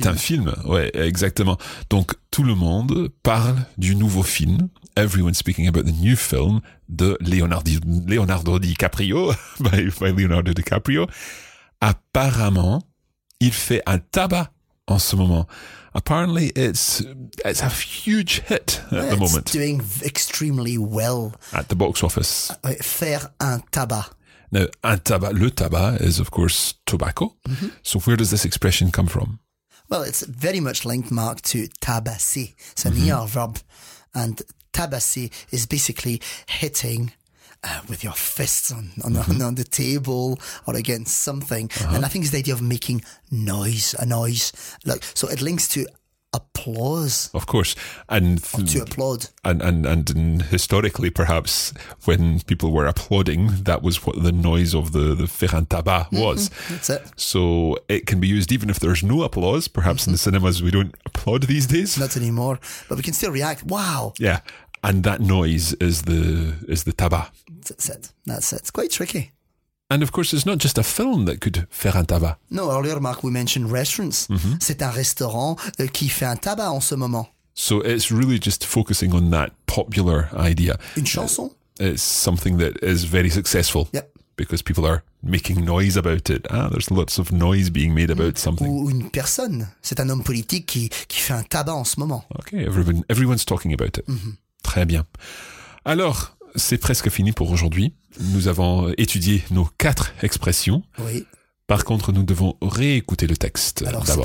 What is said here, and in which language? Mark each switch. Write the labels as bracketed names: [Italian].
[French] C'est un film, ouais, exactement. Donc tout le monde parle du nouveau film. [English] Everyone's speaking about the new film [French] de Leonardo DiCaprio by Leonardo DiCaprio. Apparemment, il fait un tabac en ce moment. [English] Apparently, it's a huge hit at the moment. It's doing extremely well. At the box office. [French] Faire un tabac. [English] Now, un tabac, le tabac is, of course, tobacco. Mm-hmm. So where does this expression come from? Well, it's very much linked, Mark, to tabasser. It's an ER verb. And tabasser is basically hitting with your fists on the table or against something. Uh-huh. And I think it's the idea of making a noise. Like, so it links to applause. Of course. And to applaud. And historically, perhaps, when people were applauding, that was what the noise of the faire un tabac was. Mm-hmm. That's it. So it can be used even if there's no applause. Perhaps in the cinemas we don't applaud these days. Not anymore. But we can still react. Wow. Yeah. And that noise is the tabac. That's it. It's quite tricky. And of course, it's not just a film that could faire un tabac. No, earlier, Mark, we mentioned restaurants. Mm-hmm. [French] C'est un restaurant qui fait un tabac en ce moment. [English] So it's really just focusing on that popular idea. [French] Une chanson. [English] It's something that is very successful. Yep. Because people are making noise about it. Ah, there's lots of noise being made about something. [French] Ou une personne. C'est un homme politique qui fait un tabac en ce moment. [English] Okay, everyone's talking about it. Mm-hmm. [French] Très bien. Alors, c'est presque fini pour aujourd'hui. Nous avons étudié nos quatre expressions. Oui. Par contre, nous devons réécouter le texte. Alors, d'abord.